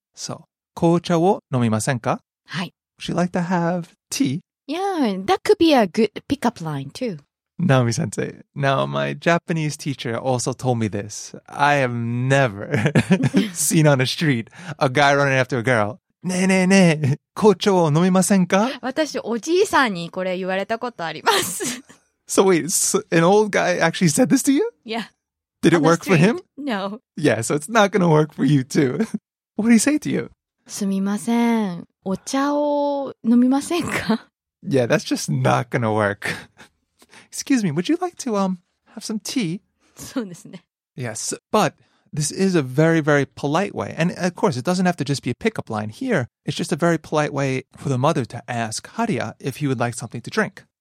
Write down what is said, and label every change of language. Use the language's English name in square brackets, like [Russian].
[Japanese] So 紅茶を飲みませんか? はい. [English] Would you like to have tea? Yeah, that could be a good pickup line too. Naomi-sensei, now my Japanese teacher also told me this. I have never seen on the street a guy running after a girl. [Japanese] ねえねえねえ、紅茶を飲みませんか? 私おじいさんにこれ言われたことあります。 [English] So wait, so an old guy actually said this to you? Yeah. Did it work for him? No. Yeah, so it's not going to work for you too. What did he say to you? [Japanese] すみません、お茶を飲みませんか? [English] Yeah, that's just not going to work. Excuse me, would you like to have some tea? [Japanese] そうですね。 [English] Yes, but this is a very, very polite way. And of course, it doesn't have to just be a pickup line here. It's just a very polite way for the mother to ask Haria if he would like something to drink.